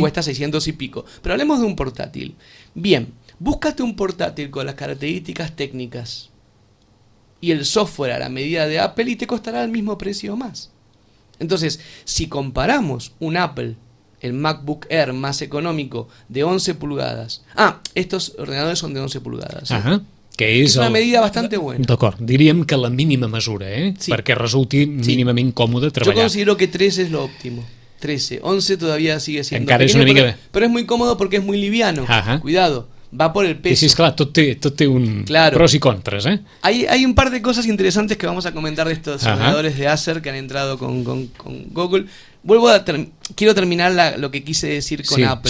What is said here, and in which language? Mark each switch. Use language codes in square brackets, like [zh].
[es] Cuesta 600 y pico. Pero hablemos de un portátil. Bien, búscate un portátil con las características técnicas y el software a la medida de Apple y te costará el mismo precio o más. Entonces, si comparamos un Apple, el MacBook Air más económico, de 11 pulgadas... Ah, estos ordenadores son de 11 pulgadas. [ca] Ajá, que és [es] una medida bastante buena. [ca] D'acord, diríem que la mínima mesura, perquè resulti mínimament còmode treballar. [es] Yo considero que 13 es lo óptimo. 13, 11 todavía sigue siendo [ca] encara [es] pequeño, pero es muy cómodo porque es muy liviano. Ajá. Cuidado, va por el peso. Sí, claro, [ca] tot té un [es] claro. Pros y contras, ¿eh? Hay un par de cosas interesantes que vamos a comentar de estos ordenadores de Acer que han entrado con Google. Vuelvo a quiero terminar lo que quise decir con Apple.